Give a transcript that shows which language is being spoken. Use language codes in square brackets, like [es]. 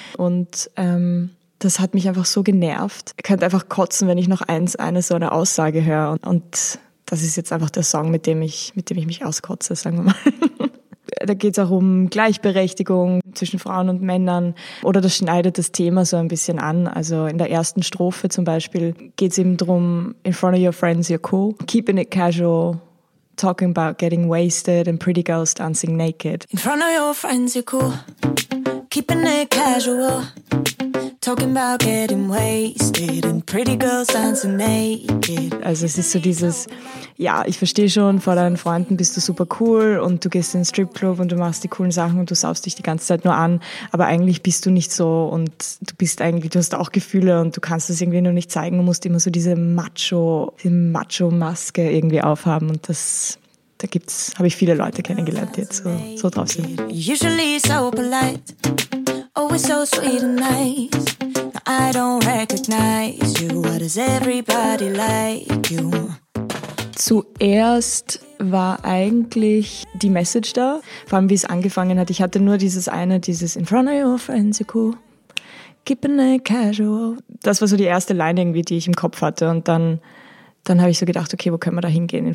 [de] Und das hat mich einfach so genervt. Ich könnte einfach kotzen, wenn ich noch eine so eine Aussage höre. Und das ist jetzt einfach der Song, mit dem ich mich auskotze, sagen wir mal. Da geht es auch um Gleichberechtigung zwischen Frauen und Männern. Oder das schneidet das Thema so ein bisschen an. Also in der ersten Strophe zum Beispiel geht es eben darum, [en] in front of your friends, you're cool. Keeping it casual, talking about getting wasted and pretty girls dancing naked. In front of your friends, you're cool. Keeping it casual, talking about getting wasted and pretty girls dancing naked. [de] Also es ist so dieses, ja, ich verstehe schon, vor deinen Freunden bist du super cool und du gehst in den Stripclub und du machst die coolen Sachen und du saufst dich die ganze Zeit nur an, aber eigentlich bist du nicht so und du bist eigentlich, du hast auch Gefühle und du kannst das irgendwie nur nicht zeigen und musst immer so diese Macho-Maske irgendwie aufhaben und das... Da gibt's, habe ich viele Leute kennengelernt, die jetzt so drauf sind. [en] Usually so polite, always so sweet and nice. I don't recognize you, why does everybody like you? [de] Zuerst war eigentlich die Message da, vor allem wie es angefangen hat. Ich hatte nur dieses [en] in front of your friends, you're cool, keeping it casual. [de] Das war so die erste Line irgendwie, die ich im Kopf hatte und dann habe ich so gedacht, okay, wo können wir da hingehen?